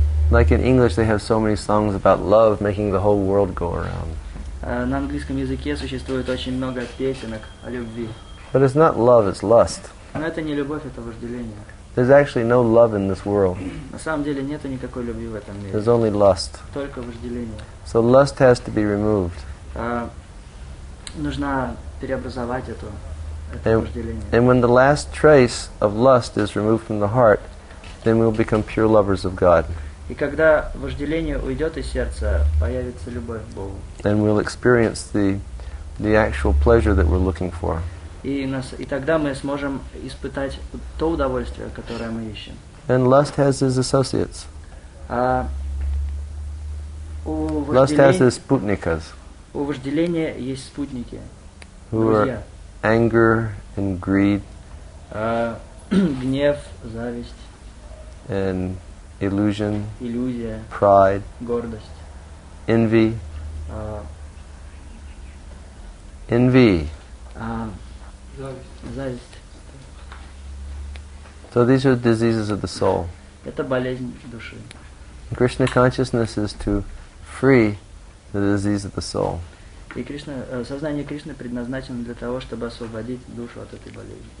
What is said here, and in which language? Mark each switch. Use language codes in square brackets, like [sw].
[en] Like in English they have so many songs about love making the whole world go around. [ru] На английском языке существует очень много песенок о любви. [en] But it's not love, it's lust. [ru] Но это не любовь, это вожделение. [en] There's actually no love in this world. [ru] На самом деле нет никакой любви в этом мире. [en] There's only lust. [ru] Только вожделение. [en] So lust has to be removed. [ru] Нужно преобразовать это вожделение. [en] And when the last trace of lust is removed from the heart, then we'll become pure lovers of God. [ru] И когда вожделение уйдет из сердца, появится любовь к Богу. [en] And we'll experience the actual pleasure that we're looking for. [ru] И тогда мы сможем испытать то удовольствие, которое мы ищем. [en] And lust has his associates. Lust has his спутникas. [ru] У вожделения есть спутники. [en] Who are anger and greed. [ru] Гнев, зависть. [en] And illusion, [ru] иллюзия, [en] pride, [ru] гордость, [en] envy, [ru] зависть. [en] So these are diseases of the soul. [ru] Это болезнь души. [en] Krishna consciousness is to free the disease of the soul. [ru] И Кришна, сознание Кришны предназначено для того, чтобы освободить душу от этой болезни.